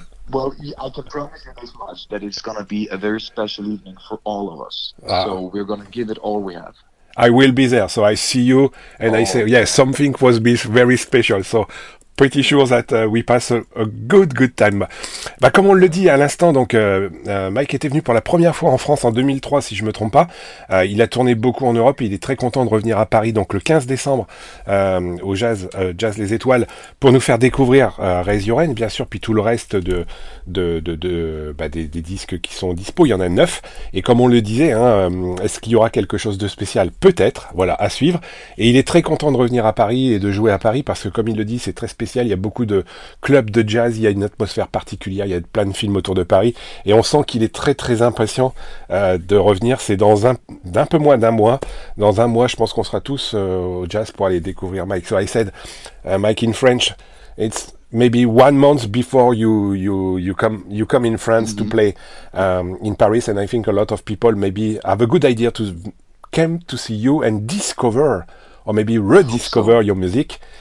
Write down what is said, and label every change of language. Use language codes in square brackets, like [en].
[en] Well, I can promise you as much that it's going to be a very special evening for all of us. Ah. So we're going to give it all we have. I will be there, so I see you, and I say, yes, something was very special, so... Pretty sure that we pass a good, good time. [fr] Bah, comme on le dit à l'instant, donc Mike était venu pour la première fois en France en 2003, si je me trompe pas. Il a tourné beaucoup en Europe et il est très content de revenir à Paris, donc le 15 décembre, au Jazz Les Étoiles, pour nous faire découvrir Raise Your Hand, bien sûr, puis tout le reste des disques qui sont dispo. Il y en a 9. Et comme on le disait, hein, est-ce qu'il y aura quelque chose de spécial? Peut-être, voilà, à suivre. Et il est très content de revenir à Paris et de jouer à Paris, parce que comme il le dit, c'est très spécial, il y a beaucoup de clubs de jazz, il y a une atmosphère particulière, il y a plein de films autour de Paris, et on sent qu'il est très très impatient de revenir. C'est dans un mois, je pense qu'on sera tous au jazz pour aller découvrir Mike. [en] So I said, Mike in French, it's maybe 1 month before you come in France to play in Paris, and I think a lot of people maybe have a good idea to come to see you and discover, or maybe rediscover your music.